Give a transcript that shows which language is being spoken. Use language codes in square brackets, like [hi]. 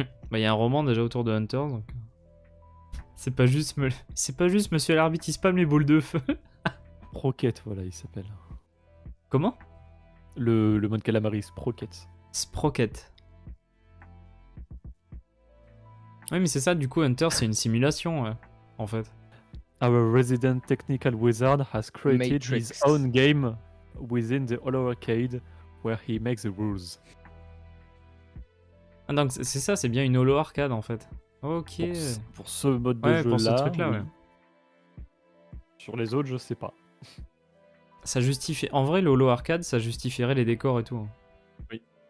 [fr] Bah, y a un roman déjà autour de Hunters, donc... C'est pas juste Monsieur l'arbitre, il spam les boules de feu. Sprocket, voilà, il s'appelle. Comment ? Le mode calamari, Sprocket. Sprocket. Oui, mais c'est ça, du coup, Hunter, c'est une simulation, en fait. [en] Our resident technical wizard has created Matrix. His own game within the Hollow Arcade where he makes the rules. [fr] Ah, donc c'est ça, c'est bien une Hollow Arcade, en fait. Ok. Pour ce mode de ouais, jeu pour là. Ce truc là, ouais. Sur les autres, je sais pas. Ça justifie. En vrai, l'Holo Arcade, ça justifierait les décors et tout. Oui.